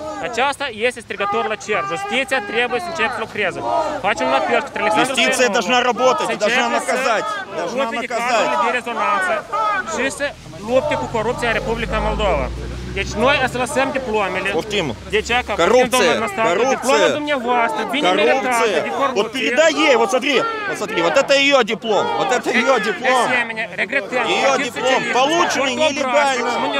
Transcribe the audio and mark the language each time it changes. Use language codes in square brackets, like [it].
[ro] Aceasta este strigător la cer. Justiția trebuie să începe să lucreze. Facem un apel către Alexandru Stoianov. [ru] Justiția должна работать, должна наказать. Должна наказать. [ro] De rezonanță și să lupte cu corupția în Republica Moldova. Deci noi să lăsăm diplomele. Poftim. Deci aca, corupție, corupție. Dumneavoastră, bine corupție. [ru] Вот передай ей, вот смотри, вот это ее диплом, вот это ее диплом. Ее диплом, полученный нелегально.